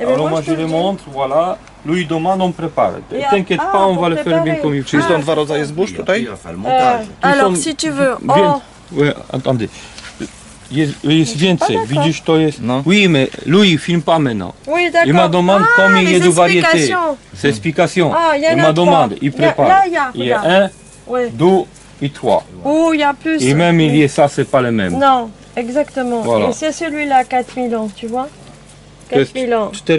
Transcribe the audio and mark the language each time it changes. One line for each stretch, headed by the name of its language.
French: Aroma, je le montre, voilà. Lui demande, on prépare. T'inquiète pas, on va le faire bien comme il faut.
Polish: Czy są dwa rodzaje zbóż tutaj?
French: Alors, si tu veux. Oui, attendez.
Polish: Jest więcej, widzisz, to jest.
French: No. Oui, mais lui filme pas maintenant. Oui, d'accord. Il m'a demandé comme il y a du variété. C'est explication. Il m'a demandé, il prépare. Il y a un, deux et trois. Oh, il y a plus. Et même il y a ça, c'est pas le même. Non, exactement. Voilà. Et c'est celui-là, 4000 ans, tu vois. 4000 ans.